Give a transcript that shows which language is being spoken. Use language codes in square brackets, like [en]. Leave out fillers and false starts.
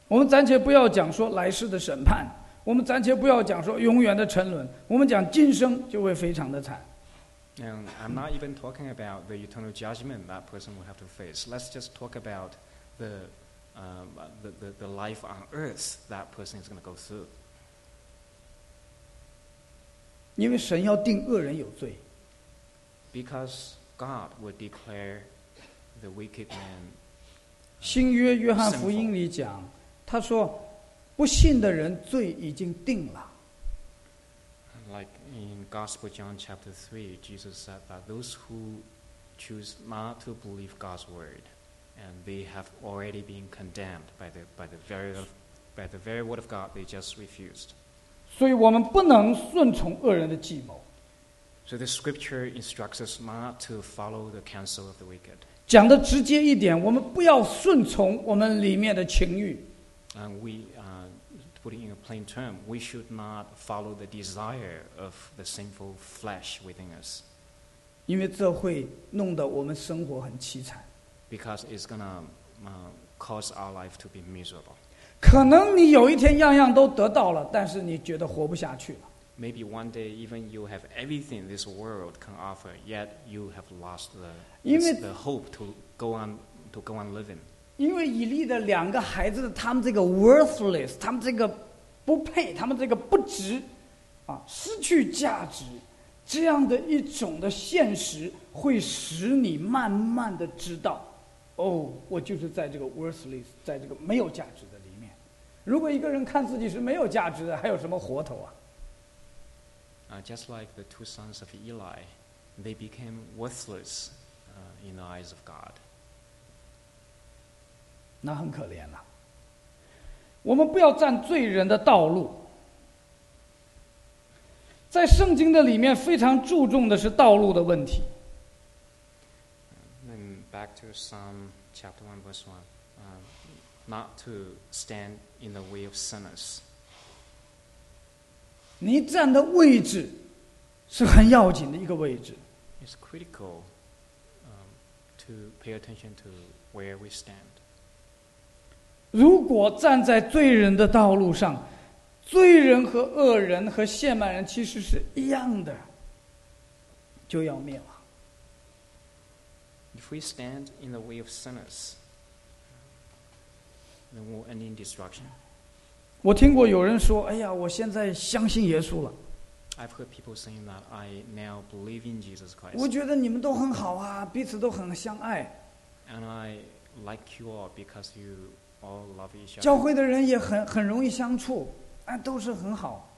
[zh] 我们暂且不要讲说来世的审判，我们暂且不要讲说永远的沉沦，我们讲今生就会非常的惨。 [en] And I'm not even talking about the eternal judgment that person will have to face. Let's just talk about the life on earth that person is going to go through. [zh] 因为神要定恶人有罪。 [en] Because God will declare the wicked man. [zh] 新约约翰福音里讲，他说，不信的人罪已经定了。 [en] Like in Gospel John chapter 3, Jesus said that those who choose not to believe God's word, and they have already been condemned by the very word of God, they just refused. [zh] 所以我们不能顺从恶人的计谋。 [en] So the scripture instructs us not to follow the counsel of the wicked. [zh] 讲得直接一点，我们不要顺从我们里面的情欲。 [en] And we put it in a plain term, we should not follow the desire of the sinful flesh within us. [zh] 因为这会弄得我们生活很凄惨。 [en] Because it's going to cause our life to be miserable. [zh] 可能你有一天样样都得到了，但是你觉得活不下去了。 [en] Maybe one day even you have everything this world can offer, yet you have lost the hope to go on living. [zh] 因为以利的两个孩子，他们这个 worthless, 他们这个不配，他们这个不值，啊，失去价值，这样的一种的现实会使你慢慢的知道，哦，我就是在这个 worthless, 在这个没有价值的里面。如果一个人看自己是没有价值的，还有什么活头啊？ [en] Just like the two sons of Eli, they became worthless in the eyes of God. [zh] 那很可怜了、啊。我们不要占罪人的道路。在圣经的里面非常注重的是道路的问题。 [en] Then back to Psalm chapter 1 verse 1. Not to stand in the way of sinners. [zh] 你站的位置是很要紧的一个位置。 [en] It's critical to pay attention to where we stand. [zh] 如果站在罪人的道路上，罪人和恶人和亵慢人其实是一样的，就要灭亡。 [en] If we stand in the way of sinners, then we'll end in destruction. [zh] 我听过有人说，哎呀，我现在相信耶稣了。 [en] I've heard people saying that I now believe in Jesus Christ. [zh] 我觉得你们都很好啊，彼此都很相爱。 [en] And I like you all because you all love each other. [zh] 教会的人也很容易相处，哎，都是很好。